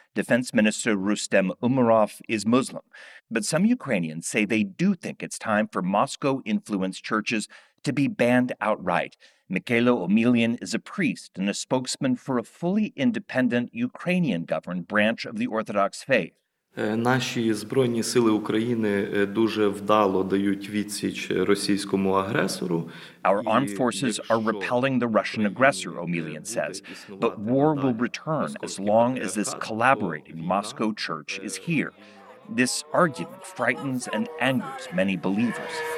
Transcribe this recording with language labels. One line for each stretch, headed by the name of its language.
English: Defense Minister Rustem Umerov is Muslim. But some Ukrainians say they do think it's time for Moscow-influenced churches to be banned outright. Mykhailo Omelian is a priest and a spokesman for a fully independent Ukrainian-governed branch of the Orthodox faith.
Ukrainian: Наші збройні сили України дуже вдало дають відсіч російському агресору.
English: Our armed forces are repelling the Russian aggressor, Omelian says. But war will return as long as this collaborating Moscow church is here. This argument frightens and angers many believers.